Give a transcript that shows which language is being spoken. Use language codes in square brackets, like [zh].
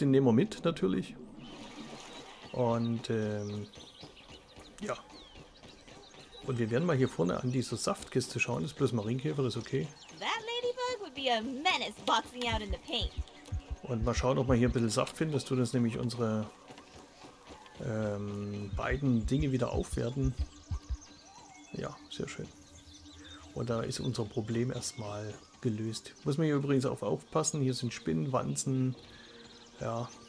[de] Den nehmen wir mit, natürlich. Und ja. Und wir werden mal hier vorne an dieser Saftkiste schauen. Ist bloß Marienkäfer, das ist okay. [en] That ladybug would be a menace boxing out in the paint. [de] Und mal schauen, ob wir hier ein bisschen Saft finden. Das tut uns nämlich unsere beiden Dinge wieder aufwerten. Ja, sehr schön. Und da ist unser Problem erstmal gelöst. Muss man hier übrigens auch aufpassen. Hier sind Spinnenwanzen. Ja.